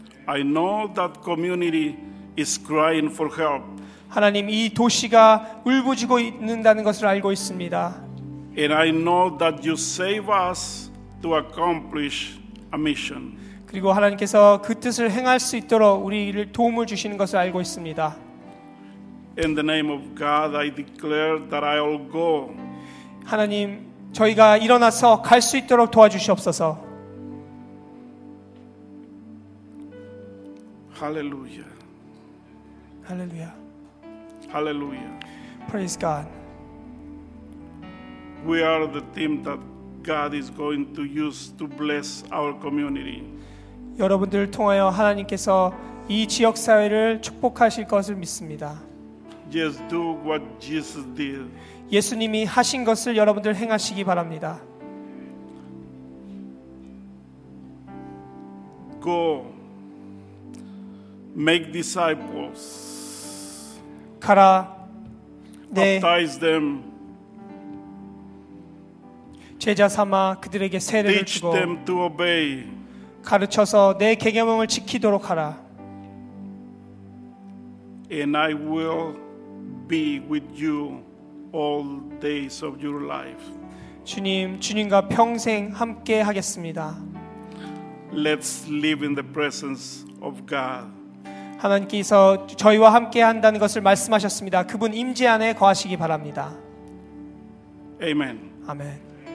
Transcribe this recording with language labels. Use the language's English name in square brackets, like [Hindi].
[English] I know that community is crying for help. [Korean] 하나님, 이 도시가 울부짖고 있는다는 것을 알고 있습니다. [English] And I know that you save us to accomplish a mission. [Korean] 그리고 하나님께서 그 뜻을 행할 수 있도록 우리를 도움을 주시는 것을 알고 있습니다. [English] In the name of God, I declare that I will go. [Korean] 하나님, 저희가 일어나서 갈 수 있도록 도와주시옵소서. [English] Hallelujah. Hallelujah. Hallelujah. Praise God. We are the team that God is going to use to bless our community. [Korean] 여러분들을 통하여 하나님께서 이 지역 사회를 축복하실 것을 믿습니다. [English] Just do what Jesus did. [Korean] 예수님이 하신 것을 여러분들 행하시기 바랍니다. [English] Go. Make disciples. [Korean] 가라. 네. [English] Baptize them. [Korean] 제자 삼아 그들에게 세례를 [English] Teach [Korean] 주고 [English] them to obey. [Korean] 가르쳐서 내 계명을 지키도록 하라. [English] And I will be with you all days of your life. [Korean] 주님, 주님과 평생 함께 하겠습니다. [English] Let's live in the presence of God. [Korean] 하나님께서 저희와 함께 한다는 것을 말씀하셨습니다. 그분 임재 안에 거하시기 바랍니다. [English] Amen. [Korean] 아멘.